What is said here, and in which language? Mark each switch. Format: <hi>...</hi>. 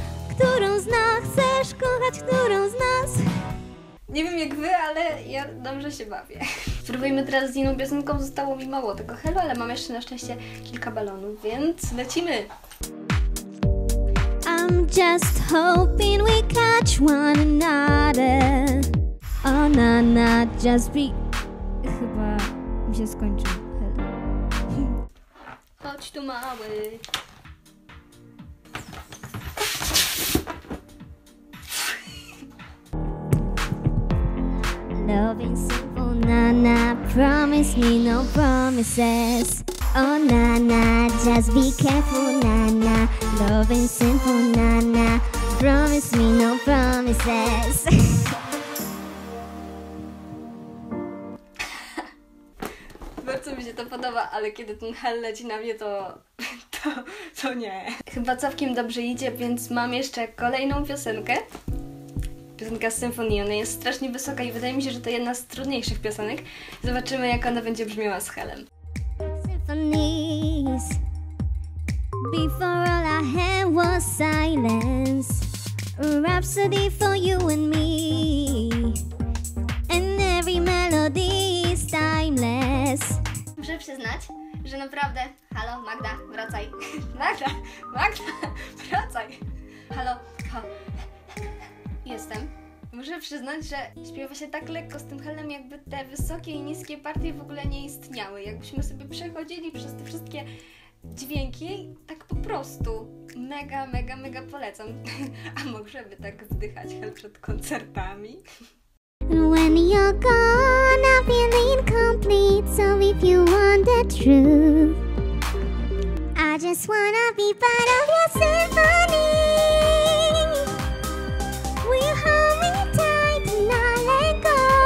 <pl>Którą z nas chcesz kochać, którą z nas? Nie wiem jak wy, ale ja dobrze się bawię. Spróbujmy teraz z inną piosenką, zostało mi mało tego helu, ale mam jeszcze na szczęście kilka balonów, więc lecimy!</pl> <en>I'm just hoping we catch one another. Ona na just be...</en> <pl>Chyba mi się skończył hel. Chodź tu mały.</pl> <en>Loving simple nana, promise me no promises. Oh nana, just be careful nana. Loving simple nana, promise me no promises.</en> <pl>Bardzo mi się to podoba, ale kiedy ten hel leci na mnie, to nie. Chyba całkiem dobrze idzie, więc mam jeszcze kolejną piosenkę. Piosenka z symfonii, ona jest strasznie wysoka i wydaje mi się, że to jedna z trudniejszych piosenek. Zobaczymy, jak ona będzie brzmiała z helem.</pl> <en>Symphonies. Before all I had was silence. Rhapsody for you and me. And every melody is timeless.</en> <pl>Muszę przyznać, że naprawdę... Halo, Magda, wracaj. Magda, wracaj. Halo, jestem. Muszę przyznać, że śpiewa się tak lekko z tym helem, jakby te wysokie i niskie partie w ogóle nie istniały. Jakbyśmy sobie przechodzili przez te wszystkie dźwięki, tak po prostu. Mega, mega, mega polecam. A może by tak wdychać hel przed koncertami?</pl> <en>When you're gone, I feel incomplete. So if you want the truth, I just wanna be part of your symphony. Will you hold me tight till I let go?</en>